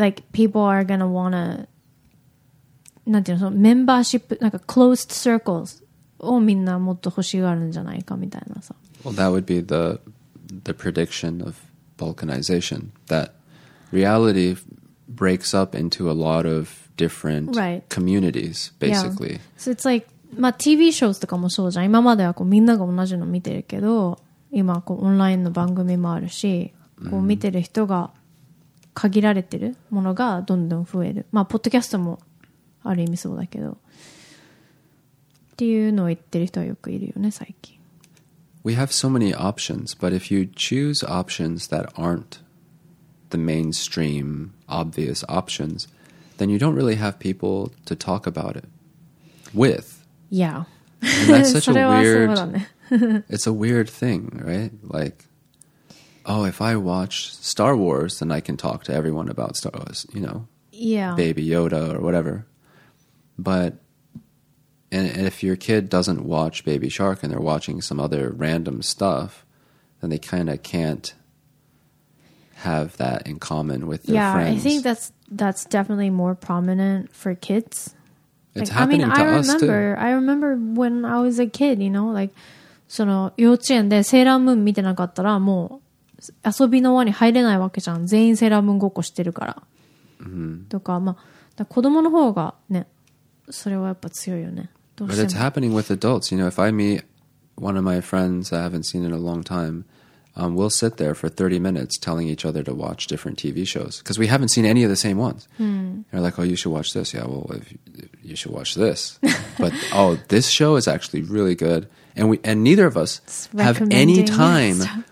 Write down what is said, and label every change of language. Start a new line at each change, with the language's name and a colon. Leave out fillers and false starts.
English: Like people are going to want to, not you know, membership, like a closed circles. Well, that would be the prediction of balkanization, that reality breaks up into a lot of different communities, basically. Yeah. So it's like,
Japanese: まあ、TV shows とかもそうじゃん。今まではこうみんなが同じの見てるけど、今こうオンラインの番組もあるし、こう見てる人が限られてるものがどんどん増える。まあ、ポッドキャストもある意味そうだけど。っていうのを言ってる人はよくいるよね、最近。
English: We have so many options, but if you choose options that aren't the mainstream, obvious options, then you don't really have people to talk about it with. Yeah. And that's such a weird... it's a weird thing, right? Like, oh, if I watch Star Wars, then I can talk to everyone about Star Wars, you know? Yeah. Baby Yoda or whatever. But and if your kid doesn't watch Baby Shark and they're watching some other random stuff, then they kind of can't have that in common with their friends. Yeah, I think that's definitely more prominent for kids. It's like, happening I mean, to I remember, us too. I remember when I was a kid, you know, like,
Japanese: その幼稚園でセーラームーン見てなかったらもう遊びの輪に入れないわけじゃん。全員セーラームーンごっこしてるから。 Mm-hmm. とか、まあ、子供の方がね、それはやっぱ強いよね。
English: But it's happening with adults. You know, if I meet one of my friends I haven't seen in a long time, we'll sit there for 30 minutes telling each other to watch different TV shows because we haven't seen any of the same ones. Hmm. They're like, oh, you should watch this. Yeah, well, you should watch this. But, oh, this show is actually really good. And neither of us have any time. Stuff.